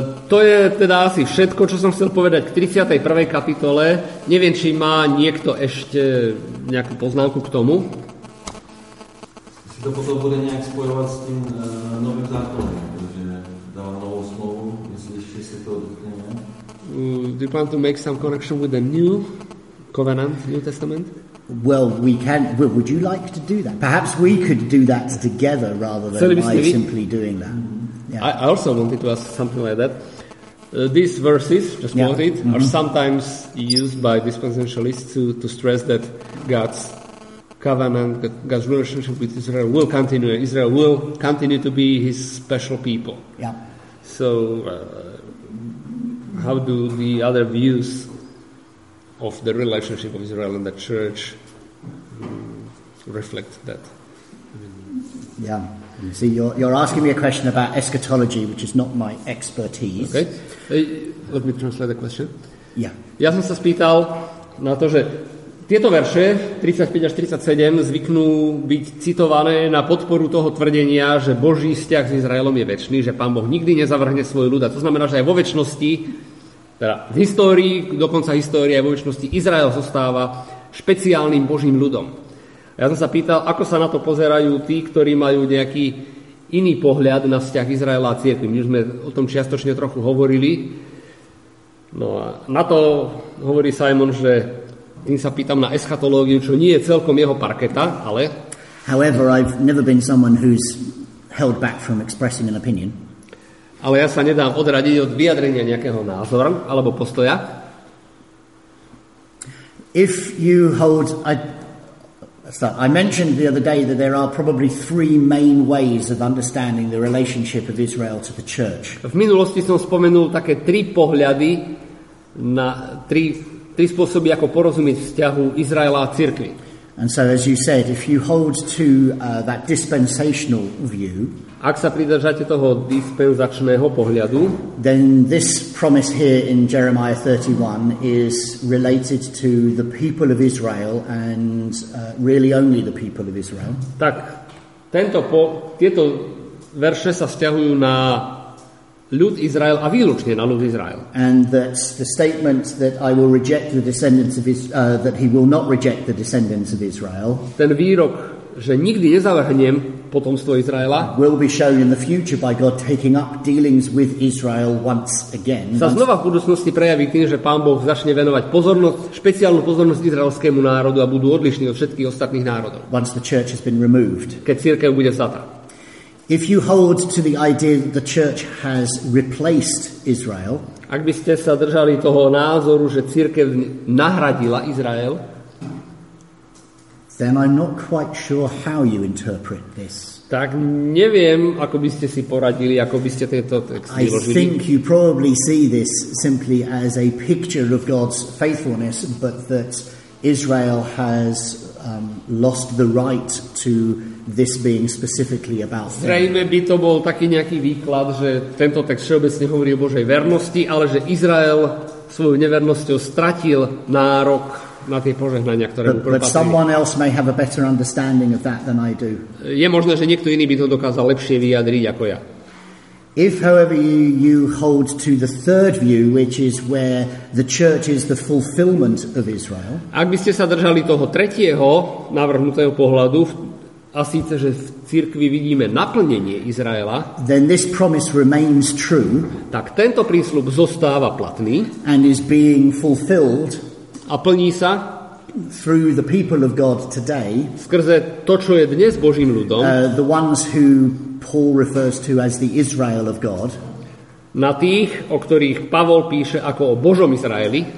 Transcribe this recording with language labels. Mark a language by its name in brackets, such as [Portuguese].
[Slovak] To je teda asi všetko, čo som chcel povedať k 31. kapitole. Neviem, či má niekto ešte nejakú poznámku k tomu. Si to potom bude nejak spojovať s tým novým zákonom, pretože dáva novú smlouvu, myslím, že si to dotkneme. [English] Do you plan to make some connection with the new covenant, New Testament? Well, we can. Well, would you like to do that? Perhaps we could do that together rather than simply doing that. Yeah. I also wanted to ask something like that. These verses, just quoted, are sometimes used by dispensationalists to stress that God's covenant, that God's relationship with Israel will continue. Israel will continue to be His special people. Yeah. So, how do the other views of the relationship of Israel and the church reflect that? Yeah. See, you're asking me a question about eschatology, which is not my expertise. Okay. Let me translate the question. Yeah. [Slovak] Ja som sa spýtal na to, že tieto verše 35 až 37 zvyknú byť citované na podporu toho tvrdenia, že Boží vzťah s Izraelom je večný, že Pán Boh nikdy nezavrhne svoj ľud. A to znamená, že aj vo večnosti, teda v histórii, dokonca histórie aj vo večnosti, Izrael zostáva špeciálnym Božím ľudom. Ja som sa pýtal, ako sa na to pozerajú tí, ktorí majú nejaký iný pohľad na vzťah Izraela a cirkvi. My sme o tom čiastočne trochu hovorili. No a na to hovorí Simon, že tým sa pýtam na eschatológiu, čo nie je celkom jeho parketa, ale... [English] However, I've never been someone who's held back from expressing an opinion. [Slovak] Ale ja sa nedám odradiť od vyjadrenia nejakého názora alebo postoja. [English] If you hold... So I mentioned the other day that there are probably three main ways of understanding the relationship of Israel to the church. [Slovak] V minulosti som spomenul také tri pohľady na tri spôsoby, ako porozumieť vzťahu Izraela a cirkvi. [English] And so as you said, if you hold to that dispensational view, [Slovak] ak sa pridržate toho dispenzačného pohľadu, [English] then this promise here in Jeremiah 31 is related to the people of Israel and really only the people of Israel. [Slovak] Tak, tieto verše sa vzťahujú na ľud Izrael a výlučne na ľud Izrael. [English] And that's the statement that I will reject the descendants of that he will not reject the descendants of Israel. [Slovak] Ten výrok, že nikdy nezavrhnem potomstvo Izraela, [English] will be shown in the future by God taking up dealings with Israel once again. [Slovak] Sa znova v budúcnosti prejaví tým, že Pán Boh začne venovať pozornosť, špeciálnu pozornosť izraelskému národu a budú odlišní od všetkých ostatných národov. [English] Once the church has been removed. [Slovak] Keď cirkev bude vzatá. [English] If you hold to the idea that the church has replaced Israel, [Slovak] ak by ste sa držali toho názoru, že cirkev nahradila Izrael, [English] then I'm not quite sure how you interpret this. [Slovak] Tak neviem, ako by ste si poradili, ako by ste tento text vyložili. [English] I think you probably see this simply as a picture of God's faithfulness, but that Israel has lost the right to this being specifically about them. [Slovak] Zrejme by to bol taký nejaký výklad, že tento text všeobecne hovorí o Božej vernosti, ale že Izrael svojou nevernosťou stratil nárok na tie požehnania, ktoré mu propatrí. [English] But someone else may have a better understanding of that than I do. [Slovak] Je možné, že niekto iný by to dokázal lepšie vyjadriť ako ja. [English] If however you hold to the third view, which is where the church is the fulfillment of Israel. [Slovak] Ak by ste sa držali toho tretieho navrhnutého pohľadu, a síce, že v cirkvi vidíme naplnenie Izraela, [English] then this promise remains true. [Slovak] Tak tento prísľub zostáva platný [English] and is being fulfilled. [Slovak] A plní sa [English] through the people of God today, [Slovak] skrze to, čo je dnes Božím ľudom, [English] the ones who Paul refers to as the Israel of God, [Slovak] na tých, o ktorých Pavol píše ako o Božom Izraeli,